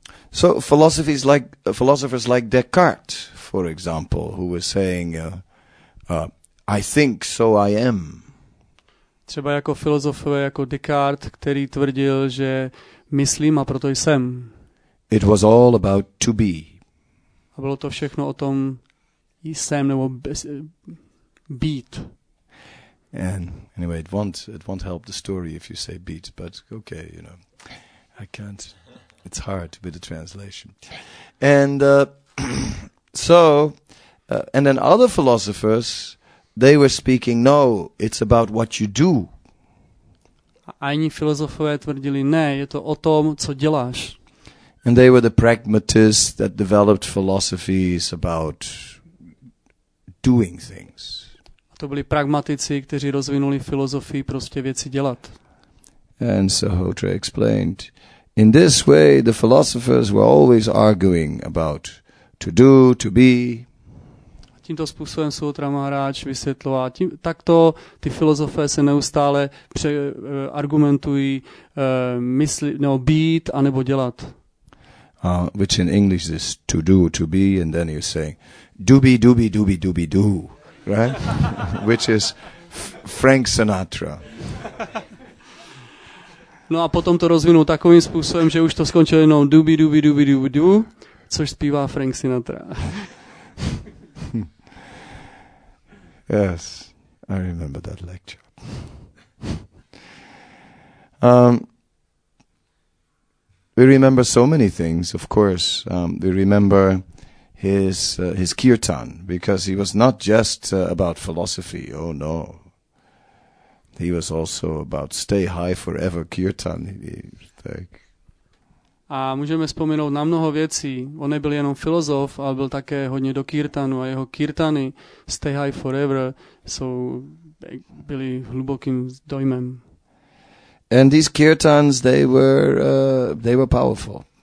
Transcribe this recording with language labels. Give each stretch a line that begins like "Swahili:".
English: So philosophies like philosophers like Descartes, for example, who was saying, "I think, so I am."
Czech: Třeba jako filozofové jako Descartes, který tvrdil, že myslím a proto jsem.
English: It was all about to be.
Czech: A bylo to všechno o tom jsem nebo být.
English: And anyway, it won't help the story if you say beat, but okay, you know, I can't. It's hard with the translation. And so And then other philosophers, they were speaking, no, it's about what you do.
Czech: A jiní filozofové tvrdili, ne, je to o tom, co děláš.
English: And they were the pragmatists that developed philosophies about doing things.
Czech: A to byli pragmatici, kteří rozvinuli filozofii prostě věci dělat.
English: And Sahotra explained, in this way the philosophers were always arguing about to do, to be.
Czech: Tímto způsobem Sutra Maharaj vysvětlová. Takto ty filozofé se neustále argumentují mysli, no, být a nebo dělat.
English: Which in English is to do, to be, and then you say dooby, dooby, dooby, dooby, do, right? Which is Frank Sinatra.
Czech: No a potom to rozvinul takovým způsobem, že už to skončilo jenom dooby, dooby, dooby, dooby, do, což zpívá Frank Sinatra.
English: Yes, I remember that lecture. We remember so many things, of course. We remember his kirtan, because he was not just about philosophy, oh no. He was also about stay high forever kirtan.
Czech: A můžeme vzpomenout na mnoho věcí. On nebyl jenom filozof, ale byl také hodně do kirtanu a jeho kirtany Stay High Forever jsou byly hlubokým dojmem.
English: And these kirtans, they were powerful.